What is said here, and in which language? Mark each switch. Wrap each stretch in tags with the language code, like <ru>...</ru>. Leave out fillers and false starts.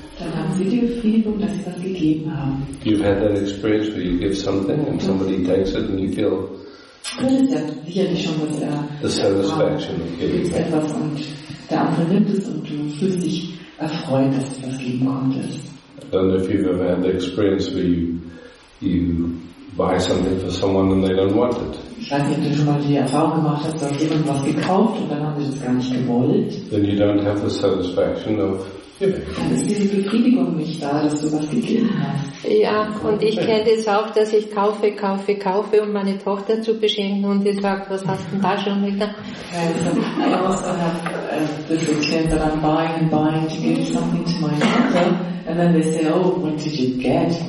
<de>Dann haben sie die Befriedigung, dass sie was gegeben haben.</de> <en>You've had that experience where you give something and somebody takes it and you feel the satisfaction of giving.</en> <de>Du gibst etwas und der andere nimmt es und du fühlst dich erfreut, dass du was geben konntest.</de> <en>I don't know if you've ever had the experience where you buy something for someone and they don't want it.</en> <de>Ich weiß nicht, ob du schon mal die Erfahrung gemacht hast, dass jemand was gekauft und dann haben sie das gar nicht gewollt.</de> <en>Then you don't have the satisfaction of.</en> <de>Dann ist diese Befriedigung nicht da, dass du was gegeben hast. Ja, und ich kenne das auch, dass ich kaufe, um meine Tochter zu beschenken und sie sagt, was hast du denn da schon wieder?</de> <en>Okay, so I also have this experience that I'm buying to give something to my daughter and then they say, oh, what did you get?</en>